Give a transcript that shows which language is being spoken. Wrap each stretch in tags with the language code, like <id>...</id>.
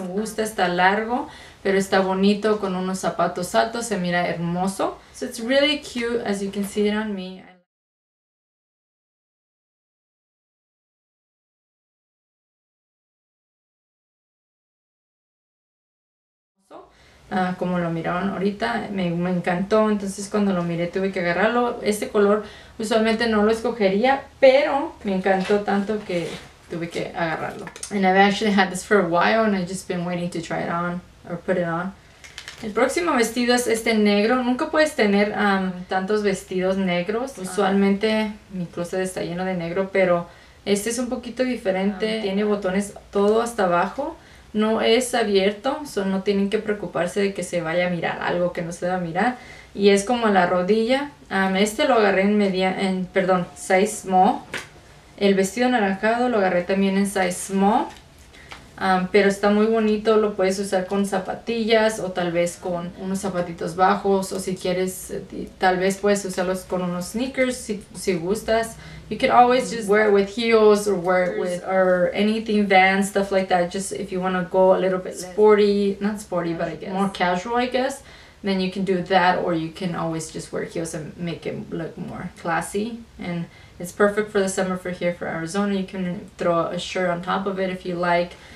<es>Me gusta, está largo, pero está bonito con unos zapatos altos, se mira hermoso.</es> <en>So it's really cute, as you can see it on me.</en> <es>Como lo miraron ahorita, me encantó, entonces cuando lo miré tuve que agarrarlo. Este color usualmente no lo escogería, pero me encantó tanto que tuve que agarrarlo.</es> <en>And I've actually had this for a while and I've just been waiting to try it on or put it on.</en> <es>El próximo vestido es este negro. Nunca puedes tener tantos vestidos negros. Usualmente mi closet está lleno de negro, pero este es un poquito diferente. Tiene botones todo hasta abajo. No es abierto, so no tienen que preocuparse de que se vaya a mirar algo que no se va a mirar. Y es como la rodilla. Este lo agarré en</es> <en>size small.</en> <es>El vestido anaranjado lo agarré también en</es> <en>size small.</en> <es>Pero está muy bonito, lo puedes usar con zapatillas o tal vez con unos zapatitos bajos. O si quieres, tal vez puedes usarlos con unos sneakers si gustas.</es> <en>You can always just wear it with heels or wear it with or anything, Vans, stuff like that. Just if you want to go a little bit sporty, not sporty, but I guess more casual, I guess, then you can do that, or you can always just wear heels and make it look more classy. And it's perfect for the summer for here for Arizona. You can throw a shirt on top of it if you like.</en>